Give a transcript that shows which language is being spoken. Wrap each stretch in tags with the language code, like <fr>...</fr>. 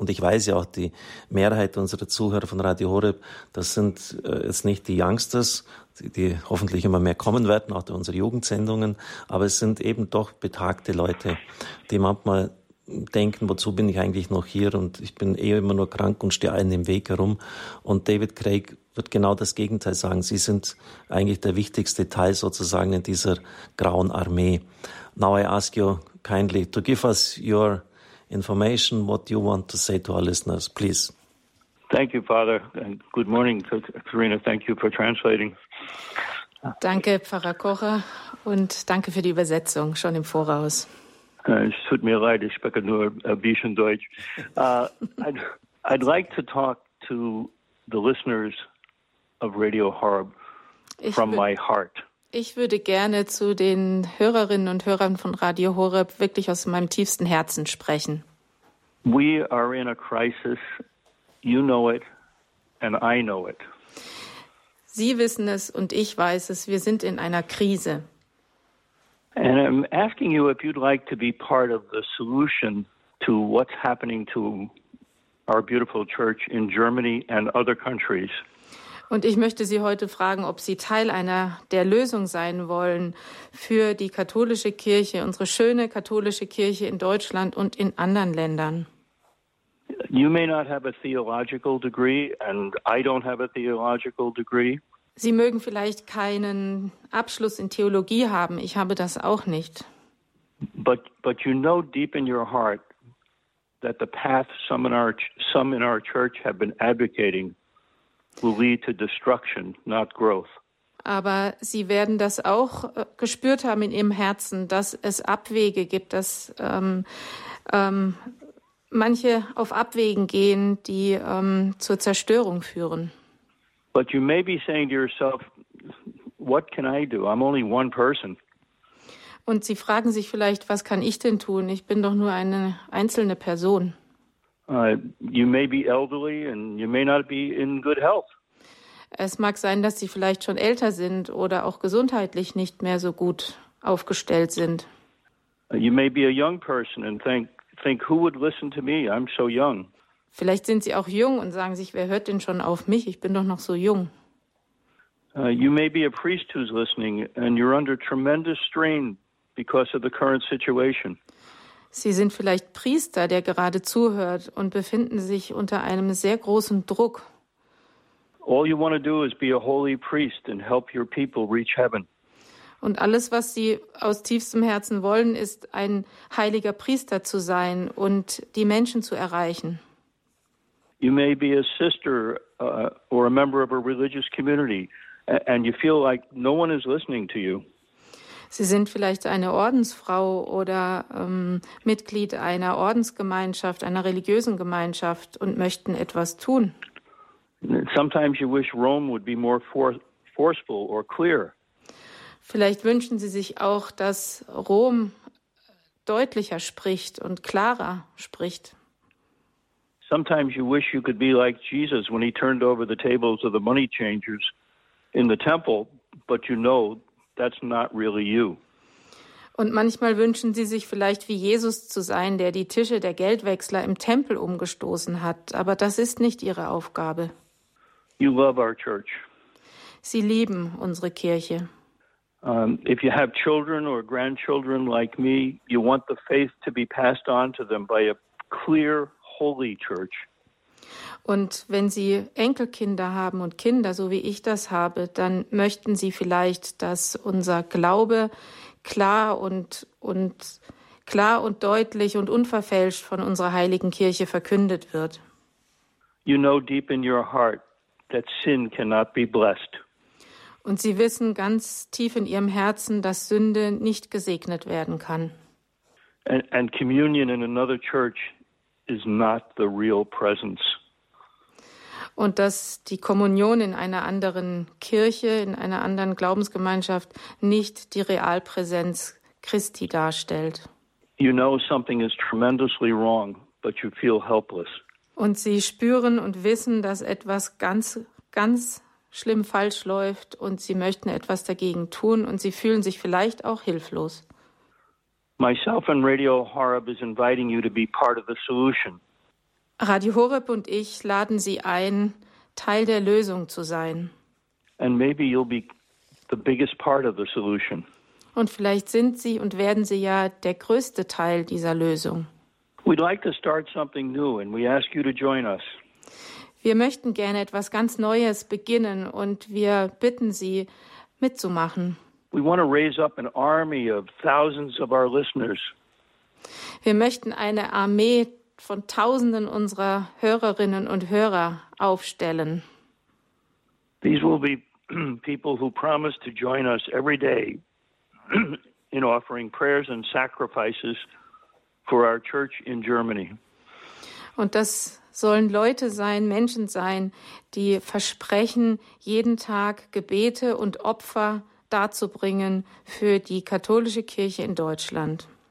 <de>Und ich weiß ja auch, die Mehrheit unserer Zuhörer von Radio Horeb, das sind jetzt nicht die Youngsters, die hoffentlich immer mehr kommen werden, auch durch unsere Jugendsendungen, aber es sind eben doch betagte Leute, die manchmal denken, wozu bin ich eigentlich noch hier, und ich bin eh immer nur krank und stehe allen im Weg herum. Und David Craig wird genau das Gegenteil sagen. Sie sind eigentlich der wichtigste Teil sozusagen in dieser grauen Armee.</de> <en>Now I ask you kindly to give us your information, what you want to say to our listeners, please. Thank you, Father, and good morning, Serena. Thank you for translating.</en> <de>Danke, Pfarrer Kocher, und danke für die Übersetzung schon im Voraus. Es tut mir leid, ich spreche nur ein bisschen Deutsch.</de> <en>I'd like to talk to the listeners of Radio Horeb from my heart.</en> <de>Ich würde gerne zu den Hörerinnen und Hörern von Radio Horeb wirklich aus meinem tiefsten Herzen sprechen.</de> <en>We are in a crisis. You know it and I know it.</en> <de>Sie wissen es und ich weiß es. Wir sind in einer Krise.</de> <en>And I'm asking you if you'd like to be part of the solution to what's happening to our beautiful church in Germany and other countries.</en> <de>Und ich möchte Sie heute fragen, ob Sie Teil einer der Lösung sein wollen für die katholische Kirche, unsere schöne katholische Kirche in Deutschland und in anderen Ländern.</de> <en>You may not have a theological degree and I don't have a theological degree.</en> <de>Sie mögen vielleicht keinen Abschluss in Theologie haben. Ich habe das auch nicht.</de> <en>But you know deep in your heart that the path some in our church have been advocating will lead to destruction, not growth.</en> <de>Aber Sie werden das auch gespürt haben in Ihrem Herzen, dass es Abwege gibt, dass manche auf Abwegen gehen, die zur Zerstörung führen.</de> <en>But you may be saying to yourself, what can I do? I'm only one person.</en> <de>Und Sie fragen sich vielleicht, was kann ich denn tun? Ich bin doch nur eine einzelne Person.</de> <en>You may be elderly and you may not be in good health.</en> <de>Es mag sein, dass Sie vielleicht schon älter sind oder auch gesundheitlich nicht mehr so gut aufgestellt sind.</de> <en>You may be a young person and think who would listen to me? I'm so young.</en> <de>Vielleicht sind Sie auch jung und sagen sich, wer hört denn schon auf mich? Ich bin doch noch so jung.</de> <en>You may be a priest who's listening and you're under tremendous strain because of the current situation.</en> <de>Sie sind vielleicht Priester, der gerade zuhört und befinden sich unter einem sehr großen Druck.</de> <en>All you want to do is be a holy priest and help your people reach heaven.</en> <de>Und alles, was Sie aus tiefstem Herzen wollen, ist ein heiliger Priester zu sein und die Menschen zu erreichen.</de> <en>You may be a sister or a member of a religious community and you feel like no one is listening to you.</en> <de>Sie sind vielleicht eine Ordensfrau oder Mitglied einer Ordensgemeinschaft, einer religiösen Gemeinschaft und möchten etwas tun.</de> <en>Sometimes you wish Rome would be more forceful or clear.</en> <de>Vielleicht wünschen Sie sich auch, dass Rom deutlicher spricht und klarer spricht.</de> <en>Sometimes you wish you could be like Jesus when he turned over the tables of the money changers in the temple, but you know that's not really you.</en> <de>Und manchmal wünschen Sie sich vielleicht wie Jesus zu sein, der die Tische der Geldwechsler im Tempel umgestoßen hat, aber das ist nicht Ihre Aufgabe.</de> <en>You love our church.</en> <de>Sie lieben unsere Kirche.</de> <en>If you have children or grandchildren like me, you want the faith to be passed on to them by a clear Holy Church.</en> <de>Und wenn Sie Enkelkinder haben und Kinder, so wie ich das habe, dann möchten Sie vielleicht, dass unser Glaube klar und deutlich und unverfälscht von unserer heiligen Kirche verkündet wird.</de> <en>You know deep in your heart that sin cannot be blessed.</en> <de>Und Sie wissen ganz tief in Ihrem Herzen, dass Sünde nicht gesegnet werden kann.</de> <en>And communion in another church is not the real presence.</en> <de>Und dass die Kommunion in einer anderen Kirche, in einer anderen Glaubensgemeinschaft nicht die Realpräsenz Christi darstellt.</de> <en>You know something is tremendously wrong, but you feel helpless.</en> <de>Und Sie spüren und wissen, dass etwas ganz, ganz schlimm falsch läuft und Sie möchten etwas dagegen tun und Sie fühlen sich vielleicht auch hilflos.</de> <en>Myself and Radio Horeb is inviting you to be part of the solution.</en> <de>Radio Horeb und ich laden Sie ein, Teil der Lösung zu sein.</de> <en>And maybe you'll be the biggest part of the solution.</en> <de>Und vielleicht sind Sie und werden Sie ja der größte Teil dieser Lösung.</de> <en>We'd like to start something new and we ask you to join us.</en> <de>Wir möchten gerne etwas ganz Neues beginnen und wir bitten Sie mitzumachen.</de> <en>We want to raise up an army of thousands of our listeners.</en> <de>Wir möchten eine Armee von Tausenden unserer Hörerinnen und Hörer aufstellen.</de> <en>These will be people who promise to join us every day in offering prayers and sacrifices for our church in Germany.</en> <de>Und das sollen Leute sein, Menschen sein, die versprechen, jeden Tag Gebete und Opfer darzubringen für die katholische Kirche in Deutschland.</de>